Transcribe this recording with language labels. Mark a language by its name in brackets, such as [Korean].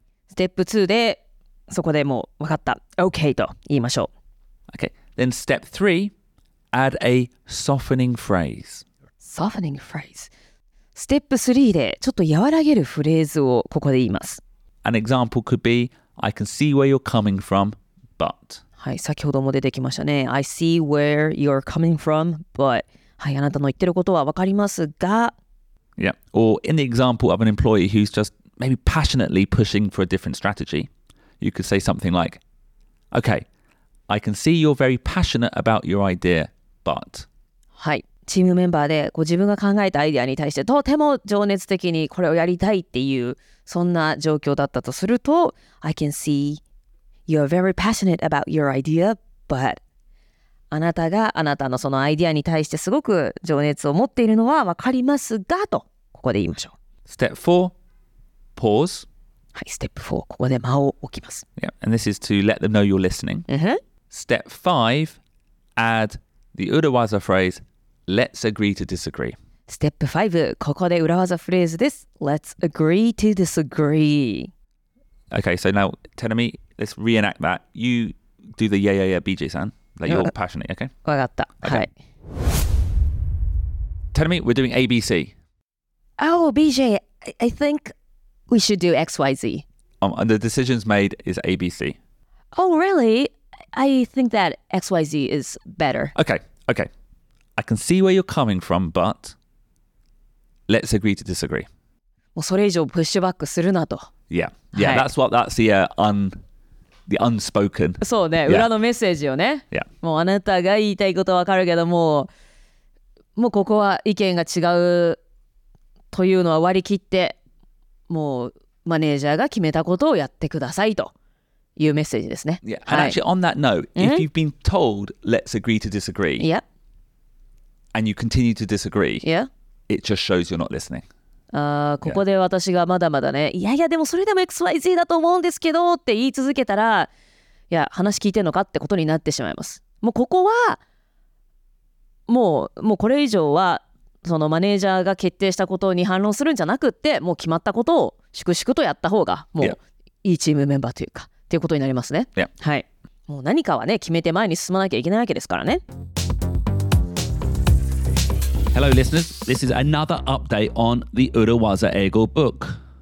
[Japanese] Step 2で、そこでもう分かった。Okay と言いましょう。 [English] Okay. Then step 3, add a softening phrase. Softening phrase. [Japanese] Step 3で、ちょっと和らげるフレーズをここで言います。 [English] An example could be, I can see where you're coming from, but. [Japanese] はい、先ほども出てきましたね。 [English] I see where you're coming from, but. [Japanese] はい、あなたの言ってることは分かりますが、 [English] Yeah, or in the example of an employee who's just maybe passionately pushing for a different strategy, you could say something like, Okay, I can see you're very passionate about your idea, but... [Japanese] はい、チームメンバーでこう自分が考えたアイデアに対してとても情熱的にこれをやりたいっていう、そんな状況だったとすると、 [English] I can see you're very passionate about your idea, but... [Japanese] あなたがあなたのそのアイディアに対してすごく情熱を持っているのは分かりますが、とここで言いましょう。 [English] Step 4, pause. [Japanese] はい、Step 4, ここで間を置きます。 [English] Yeah, and this is to let them know you're listening.、 Uh-huh. Step 5, add the 裏技フレーズ Let's agree to disagree. [Japanese] Step 5, ここで裏技フレーズです。 [English] Let's agree to disagree. Okay, so now, Tenami, let's reenact that. You do the yeah, yeah, yeah, BJ-san. That you're passionate, okay? [Japanese] 分かった、okay. はい。 [English] Tell me, we're doing ABC. Oh, BJ, I think we should do XYZ.、 And the decisions made is ABC. Oh, really? I think that XYZ is better. Okay, okay. I can see where you're coming from, but let's agree to disagree. [Japanese] もうそれ以上プッシュバックするなと。 [English] Yeah, yeah,、はい、that's the、The unspoken. [Japanese] そうね、yeah. 裏のメッセージをね。 [English] Yeah. [Japanese] もうあなたが言いたいことわかるけど、もうここは意見が違うというのは割り切って、もうマネージャーが決めたことをやってくださいというメッセージですね。 [English] Yeah. And actually, on that note,、mm-hmm. if you've been told let's agree to disagree,、 yeah. and you continue to disagree,、 yeah. it just shows you're not listening. [Japanese] ここで私がまだまだね、yeah. いやいやでもそれでも XYZ だと思うんですけどって言い続けたら、いや話聞いてんのかってことになってしまいます。もうここはもうこれ以上はそのマネージャーが決定したことに反論するんじゃなくって、もう決まったことを粛々とやった方がもういいチームメンバーというかっていうことになりますね、 [English] yeah. [Japanese] はい、もう何かはね決めて前に進まなきゃいけないわけですからね。 [English] Hello, listeners. This is another update on the 裏技英語 book.